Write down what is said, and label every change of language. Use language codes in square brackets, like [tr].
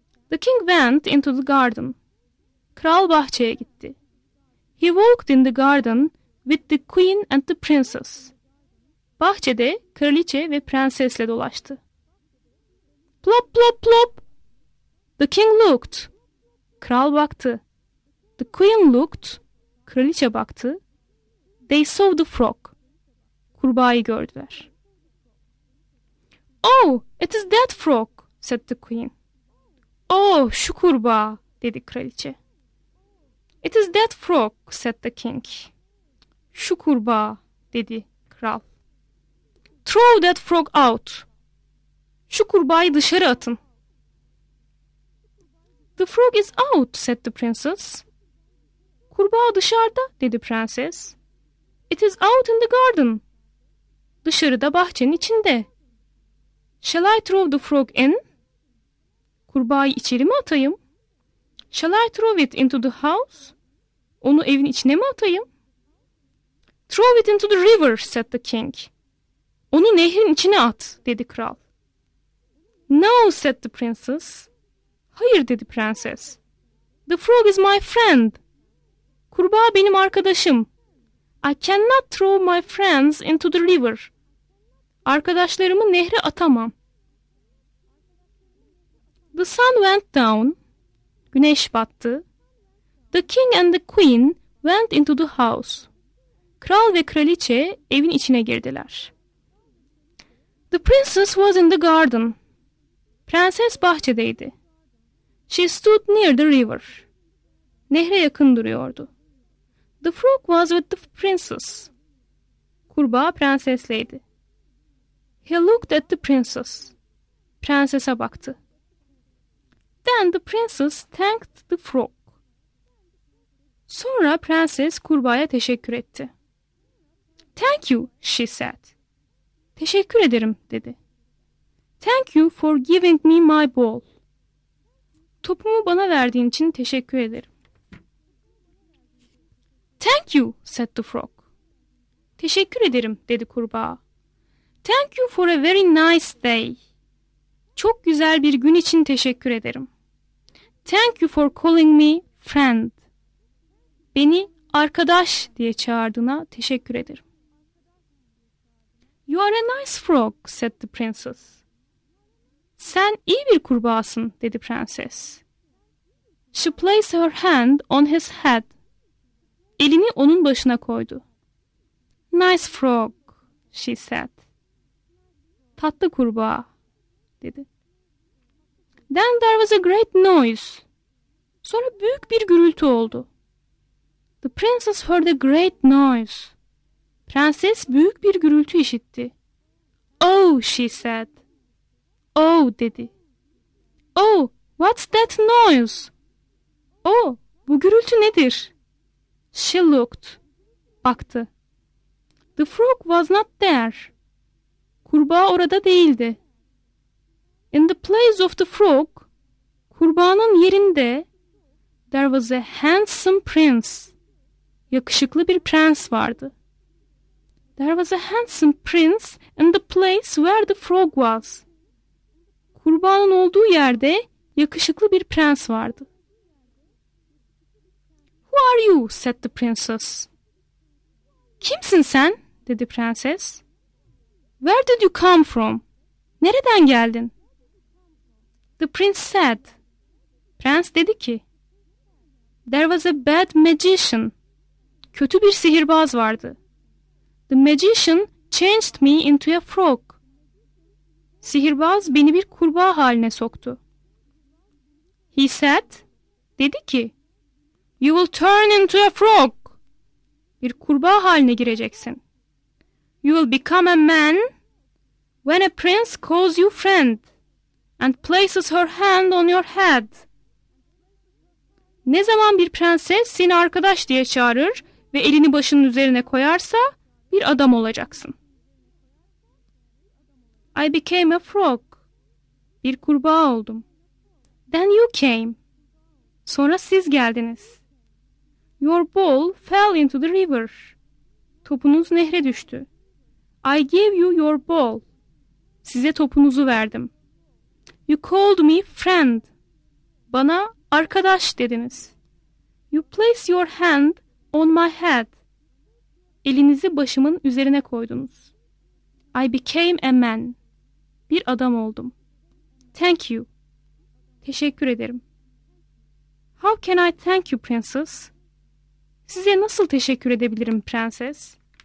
[en] The king went into the garden. [tr] Kral bahçeye gitti. [en] He walked in the garden with the queen and the princess. [tr] Bahçede kraliçe ve prensesle dolaştı. [en] Plop plop plop. The king looked. [tr] Kral baktı. [en] The queen looked. [tr] Kraliçe baktı. [en] They saw the frog. [tr] Kurbağayı gördüler. [en] Oh, it is that frog, said the queen. [tr] Oh, şu kurbağa, dedi kraliçe. [en] It is that frog, said the king. [tr] Şu kurbağa, dedi kral. [en] Throw that frog out. [tr] Şu kurbağayı dışarı atın. [en] The frog is out, said the princess. [tr] Kurbağa dışarıda, dedi prenses. [en] It is out in the garden. [tr] Dışarıda, bahçenin içinde. [en] Shall I throw the frog in? [tr] Kurbağayı içeri mi atayım? [en] Shall I throw it into the house? [tr] Onu evin içine mi atayım? [en] Throw it into the river, said the king. [tr] Onu nehrin içine at, dedi kral. [en] No, said the princess. [tr] Hayır, dedi prenses. [en] The frog is my friend. [tr] Kurbağa benim arkadaşım. [en] I cannot throw my friends into the river. [tr] Arkadaşlarımı nehre atamam. [en] The sun went down. [tr] Güneş battı. [en] The king and the queen went into the house. [tr] Kral ve kraliçe evin içine girdiler. [en] The princess was in the garden. [tr] Prenses bahçedeydi. [en] She stood near the river. [tr] Nehre yakın duruyordu. [en] The frog was with the princess. [tr] Kurbağa prensesleydi. [en] He looked at the princess. [tr] Prensese baktı. [en] Then the princess thanked the frog. [tr] Sonra prenses kurbağaya teşekkür etti. [en] Thank you, she said. [tr] Teşekkür ederim, dedi. [en] Thank you for giving me my ball. [tr] Topumu bana verdiğin için teşekkür ederim. [en] Thank you, said the frog. [tr] Teşekkür ederim, dedi kurbağa. [en] Thank you for a very nice day. [tr] Çok güzel bir gün için teşekkür ederim. [en] Thank you for calling me friend. [tr] Beni arkadaş diye çağırdığına teşekkür ederim. [en] You are a nice frog, said the princess. [tr] Sen iyi bir kurbağasın, dedi prenses. [en] She placed her hand on his head. [tr] Elini onun başına koydu. [en] Nice frog, she said. [tr] Tatlı kurbağa, dedi. [en] Then there was a great noise. [tr] Sonra büyük bir gürültü oldu. [en] The princess heard a great noise. [tr] Prenses büyük bir gürültü işitti. [en] Oh, she said. [tr] Oh, dedi. [en] Oh, what's that noise? [tr] Oh, bu gürültü nedir? [en] She looked. [tr] Baktı. [en] The frog was not there. [tr] Kurbağa orada değildi. [en] In the place of the frog, [tr] kurbağanın yerinde, [en] there was a handsome prince. [tr] Yakışıklı bir prens vardı. [en] There was a handsome prince in the place where the frog was. [tr] Kurbağanın olduğu yerde yakışıklı bir prens vardı. [en] Who are you? Said the princess. [tr] Kimsin sen? Dedi prenses. [en] Where did you come from? [tr] Nereden geldin? [en] The prince said. [tr] Prens dedi ki. [en] There was a bad magician. [tr] Kötü bir sihirbaz vardı. [en] The magician changed me into a frog. [tr] Sihirbaz beni bir kurbağa haline soktu. [en] He said, [tr] dedi ki, [en] you will turn into a frog. [tr] Bir kurbağa haline gireceksin. [en] You will become a man when a prince calls you friend and places her hand on your head. [tr] Ne zaman bir prenses seni arkadaş diye çağırır ve elini başının üzerine koyarsa, bir adam olacaksın. [en] I became a frog. [tr] Bir kurbağa oldum. [en] Then you came. [tr] Sonra siz geldiniz. [en] Your ball fell into the river. [tr] Topunuz nehre düştü. [en] I gave you your ball. [tr] Size topunuzu verdim. [en] You called me friend. [tr] Bana arkadaş dediniz. [en] You place your hand on my head. [tr] Elinizi başımın üzerine koydunuz. [en] I became a man. [tr] Bir adam oldum. [en] Thank you. [tr] Teşekkür ederim. [en] How can I thank you, princess? [tr] Size nasıl teşekkür edebilirim, prenses?